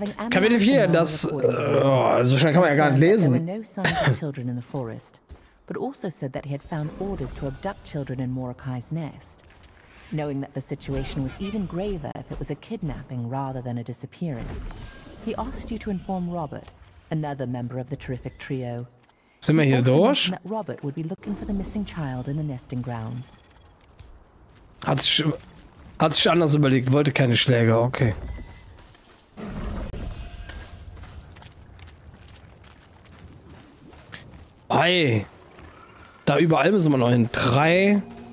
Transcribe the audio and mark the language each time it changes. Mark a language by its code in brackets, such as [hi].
[de] Kapitel 4, das so schnell kann man ja gar nicht lesen. [en] There were no signs of children in the forest, but also said that he had found orders to abduct children in Morakai's nest, knowing that the situation was even graver if it was a kidnapping rather than a disappearance. He asked you to inform Robert, another member of the terrific trio. [de] Sind wir hier durch? [en] That Robert would be looking for the missing child in the nesting grounds. [de] Hat sich anders überlegt, wollte keine Schläge, okay. Ei, da überall müssen wir noch hin. Drei.